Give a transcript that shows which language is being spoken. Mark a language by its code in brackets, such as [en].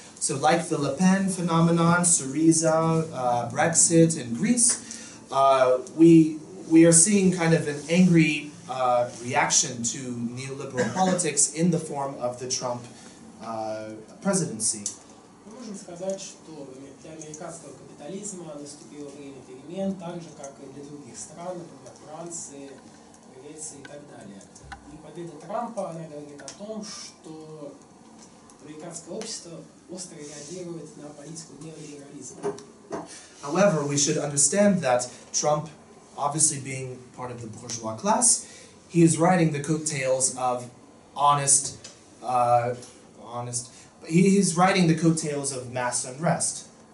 [en] So like the Le Pen phenomenon, Syriza, Brexit in Greece, we are seeing kind of an angry reaction to neoliberal politics in the form of the Trump presidency. [ru] Мы можем сказать, что для американского капитализма наступило время перемен, так же, как и для других стран, например, Франции, Греции и так далее. И победа Трампа, она говорит о том, что американское общество остро реагирует на политику неолиберализма. [en] However, we should understand that Trump, obviously being part of the bourgeois class, he is riding the coattails of coattails of mass unrest.